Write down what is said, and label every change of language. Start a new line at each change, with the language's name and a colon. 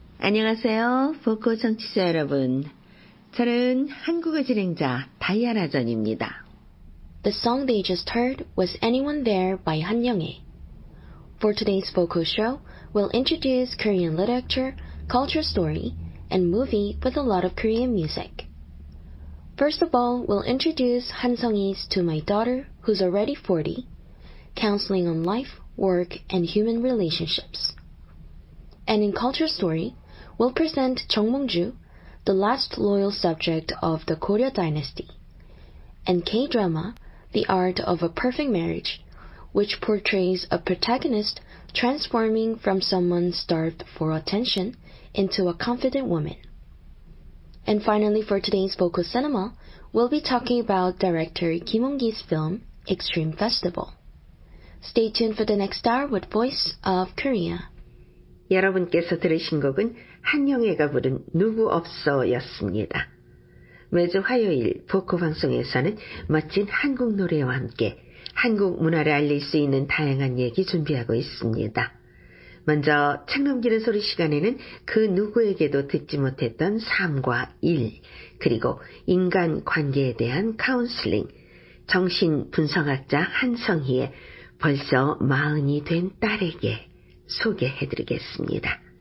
Korean: 안녕하세요, 보컬 청취자 여러분. 저는 한국어 진행자 다이아나 전입니다.
English: The song they just heard was Anyone There by 한영애. For today's vocal show, we'll introduce Korean literature, culture story, and movie with a lot of Korean music. First of all, we'll introduce Han Sung-hee's To My Daughter, who's already 40, counseling on life, work, and human relationships. And in culture story, we'll present Jung Mong-ju, the last loyal subject of the Goryeo dynasty, and K-drama, The Art of a Perfect Marriage, which portrays a protagonist transforming from someone starved for attention into a confident woman. And finally, for today's vocal cinema, we'll be talking about director Kim Hong-gi's film, Extreme Festival. Stay tuned for the next hour with Voice of Korea.
Korean: 여러분께서 들으신 곡은 한영애가 부른 누구 없어였습니다. 매주 화요일 보코 방송에서는 멋진 한국 노래와 함께 한국 문화를 알릴 수 있는 다양한 얘기 준비하고 있습니다. 먼저 창놈기는 소리 시간에는 그 누구에게도 듣지 못했던 삶과 일, 그리고 인간관계에 대한 카운슬링, 정신분석학자 한성희의 벌써 마흔이 된 딸에게 소개해드리겠습니다.